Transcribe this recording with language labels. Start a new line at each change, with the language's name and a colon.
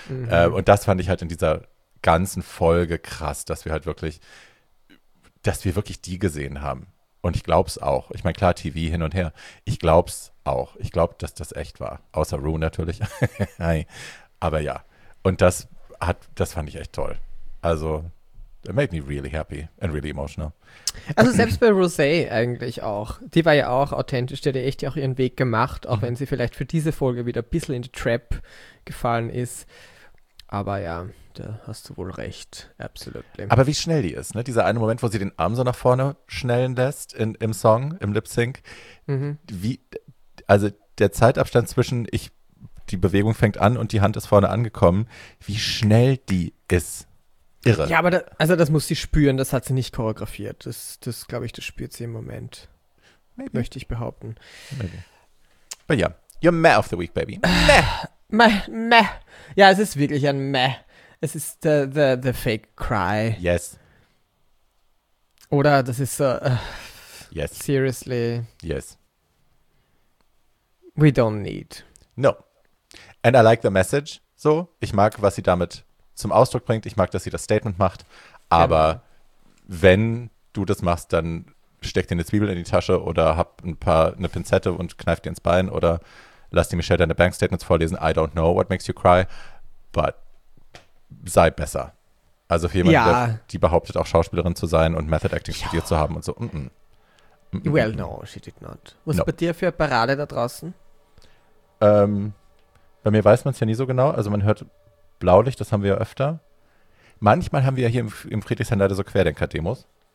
German: Und das fand ich halt in dieser ganzen Folge krass, dass wir wirklich die gesehen haben. Und ich glaub's auch. Ich meine, klar, TV hin und her. Ich glaub's auch. Ich glaub, dass das echt war. Außer Rue natürlich. Hi. Aber ja. Und das fand ich echt toll.
English: Also, it made me really happy and really emotional.
German: Also selbst bei Rosé eigentlich auch. Die war ja auch authentisch, die hat ja echt auch ihren Weg gemacht, auch wenn sie vielleicht für diese Folge wieder ein bisschen in die Trap gefallen ist. Aber ja, da hast du wohl recht, absolut. Aber wie schnell die ist, ne? Dieser eine Moment, wo sie den Arm so nach vorne schnellen lässt im Song, im Lip-Sync. Mhm. Wie, also der Zeitabstand zwischen die Bewegung fängt an und die Hand ist vorne angekommen, wie schnell die ist. Irre. Ja, aber das muss sie spüren, das hat sie nicht choreografiert. Das glaube ich, das spürt sie im Moment.
English: Maybe.
German: Möchte ich behaupten. Aber ja,
English: yeah, you're meh of the week, baby. Meh.
German: Ja, es ist wirklich ein meh. Es ist
English: the fake cry. Yes.
German: Oder das ist so,
English: yes. Seriously. Yes. We don't need. No. And I like the message, so.
German: Ich mag, was sie damit zum Ausdruck bringt. Ich mag, dass sie das Statement macht. Aber ja, wenn du das machst, dann steck dir eine Zwiebel in die Tasche oder hab eine Pinzette und kneif dir ins Bein oder lass die Michelle deine Bankstatements vorlesen.
English: I don't know what makes you cry, but
German: sei besser. Also für jemanden, die behauptet, auch Schauspielerin zu sein und Method Acting studiert zu haben und so.
English: Well, no, she did not.
German: Was bei dir für eine Parade da draußen? Bei mir weiß man es ja nie so genau. Also man hört Blaulicht, das haben wir ja öfter. Manchmal haben wir ja hier im Friedrichshain leider so Querdenker-Demos.